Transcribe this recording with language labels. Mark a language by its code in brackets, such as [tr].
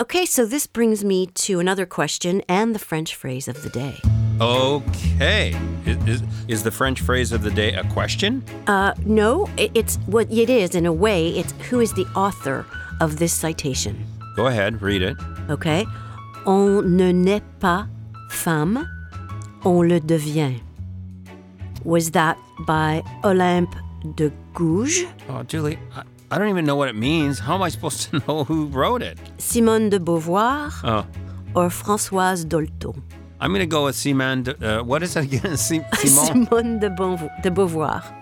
[en] Okay, so this brings me to another question and the French phrase of the day. Okay. Is the French phrase of the day a question? No, it is in a way. It's who is the author of this citation? Go ahead, read it. Okay. [fr] On ne naît pas femme, on le devient. [en] Was that by Olympe de Gouges? Oh, Julie, I don't even know what it means. How am I supposed to know who wrote it? Simone de Beauvoir or Françoise Dolto? I'm going to go with Simone de... what is that again? Simone de Beauvoir.